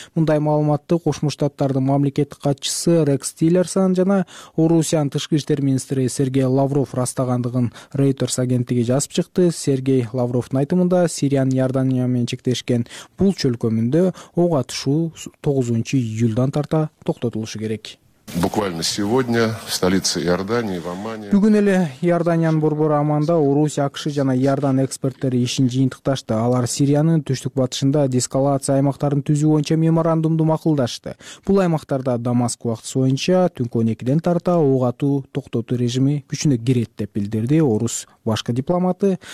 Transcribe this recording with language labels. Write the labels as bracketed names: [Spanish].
[Kyrgyz] Мындай маалыматты Кошмо Штаттар мамлекеттик катчысы Рекс Тиллерсон жана Орусиянын тышкы иштер министри Сергей Лавров растагандыгын Reuters агенттиги жазып чыкты. Сергей Лавровдун айтымында Сириянын Иордания менен чектешкен бул чөл көмүндө ок атышуу 9 июлдан тарта токтотулушу керек. [Russian] Буквально сегодня в столице Иордании, в Аммане. [Kyrgyz] Бүгүн эле Иорданиянын борбору Аманда Орусия, АКШ жана Иордан эксперттери ишин жыйынтыкташты. Алар Сириянын түштүк-батышында деэскалация аймактарын түзүү боюнча меморандумду макулдашты. Бул аймактарда Дамаск убактысы боюнча түнкү 12:00 тарта ок атуу токтотуу режими күчүнө кирет деп билдирди орус башкы дипломаты.